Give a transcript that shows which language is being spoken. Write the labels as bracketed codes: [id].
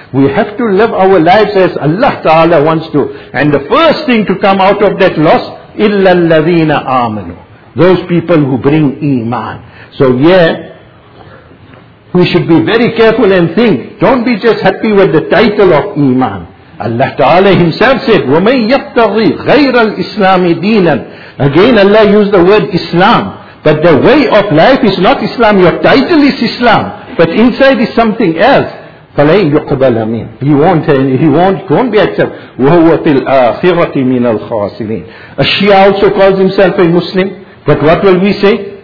[en] We have to live our lives as Allah Ta'ala wants to. And the first thing to come out of that loss, [ar] إِلَّا الَّذِينَ آمَنُوا, [en] those people who bring iman. So yeah, we should be very careful and think, don't be just happy with the title of iman. Allah Ta'ala Himself said, [ar] وَمَنْ يَبْتَغِي غَيْرَ الْإِسْلَامِ دِينًا. [en] Again Allah used the word Islam. But the way of life is not Islam. Your title is Islam, but inside is something else. [ar] فَلَنْ يُقْبَلَ مِنْ. [en] He won't be accepted. [ar] وَهُوَ فِي الْآخِرَةِ مِنَ الْخَاسِرِينَ. [en] A Shia also calls himself a Muslim. But what will we say?